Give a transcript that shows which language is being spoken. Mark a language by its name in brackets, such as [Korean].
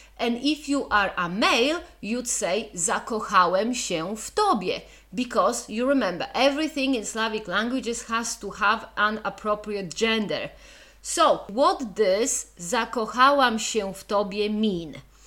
[English] And if you are a male, you'd say [Polish] zakochałem się w tobie. [English] Because, you remember, everything in Slavic languages has to have an appropriate gender. So, what does [Polish] zakochałam się w tobie [English] mean?